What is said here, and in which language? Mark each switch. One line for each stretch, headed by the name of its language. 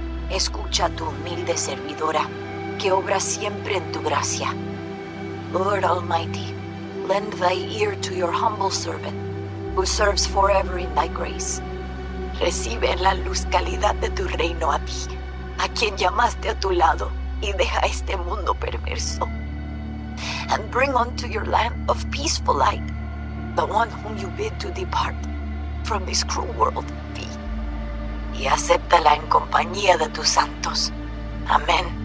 Spanish: Escucha tu humilde servidora, que obra siempre en tu gracia.
English: Lord Almighty, lend thy ear to your humble servant, who serves forever in thy grace.
Spanish: Recibe la luz calidad de tu reino a ti, a quien llamaste a tu lado, y deja este mundo perverso.
English: And bring unto your land of peaceful light, the one whom you bid to depart from this cruel world.
Spanish: Y acéptala en compañía de tus santos. Amén.